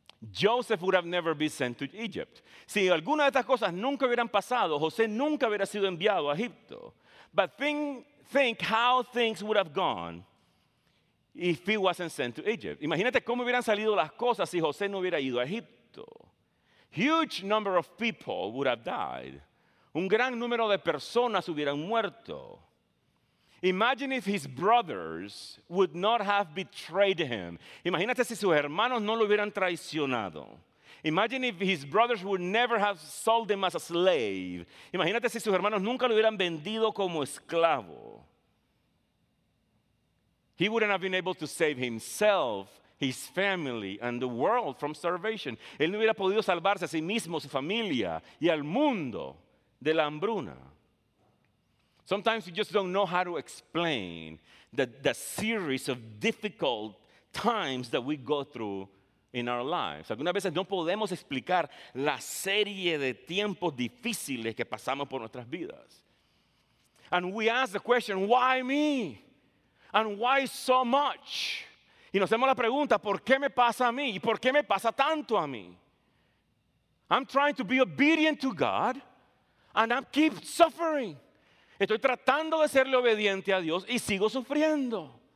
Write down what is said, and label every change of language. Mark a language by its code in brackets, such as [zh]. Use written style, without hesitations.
[en] Joseph would have never been sent to Egypt. [es] Si alguna de estas cosas nunca hubieran pasado, José nunca hubiera sido enviado a Egipto. [en] But think how things would have gone if he wasn't sent to Egypt. [es] Imagínate cómo hubieran salido las cosas si José no hubiera ido a Egipto. [en] Huge number of people would have died. [es] Un gran número de personas hubieran muerto. [en] Imagine if his brothers would not have betrayed him. [es] Imagínate si sus hermanos no lo hubieran traicionado. [en] Imagine if his brothers would never have sold him as a slave. [es] Imagínate si sus hermanos nunca lo hubieran vendido como esclavo. [en] He wouldn't have been able to save himself, his family, and the world from starvation. [es] Él no hubiera podido salvarse a sí mismo, su familia, y al mundo de la hambruna. [en] Sometimes you just don't know how to explain the series of difficult times that we go through in our lives. [es] Algunas veces no podemos explicar la serie de tiempos difíciles que pasamos por nuestras vidas. [en] And we ask the question, why me? And why so much? [es] Y nos hacemos la pregunta, ¿por qué me pasa a mí? ¿Y por qué me pasa tanto a mí? [en] I'm trying to be obedient to God, and I keep suffering. [es] Estoy tratando de serle obediente a Dios y sigo sufriendo.